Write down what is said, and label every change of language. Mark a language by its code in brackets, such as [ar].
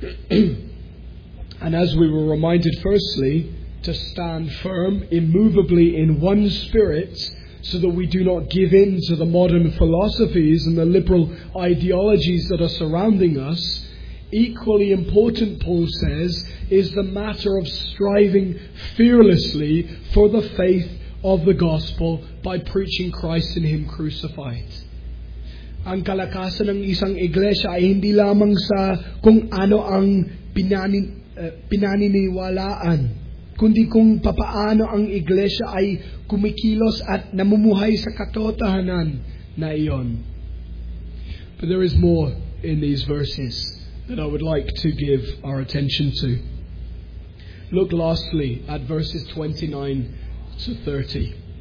[en] And as we were reminded, firstly, to stand firm, immovably in one spirit, so that we do not give in to the modern philosophies and the liberal ideologies that are surrounding us. Equally important, Paul says, is the matter of striving fearlessly for the faith of the gospel by preaching Christ and Him crucified. [tl] Ang kalakasan ng isang iglesia ay hindi lamang sa kung ano ang pinaniniwalaan, kundi kung papaano ang iglesia ay kumikilos at namumuhay sa katotohanan na iyon. [en] But there is more in these verses that I would like to give our attention to. Look lastly at verses 29 to 30.